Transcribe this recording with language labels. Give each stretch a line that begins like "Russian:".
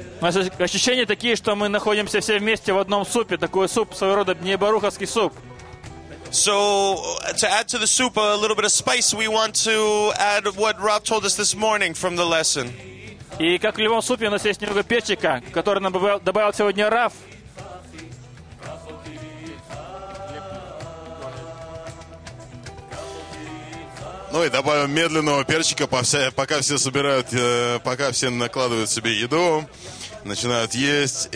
Russian: Ощущения такие, что мы находимся все вместе в одном супе. Такой суп, своего рода бене баруховский суп.
English: So to add to the soup a little bit of spice, we want to add what Rob told us this morning from the lesson.
Russian: И как в любом супе, у нас есть немного перчика, который нам добавил сегодня Раф. Ну и добавим медленного перчика, пока все собирают, пока все накладывают себе еду, начинают есть.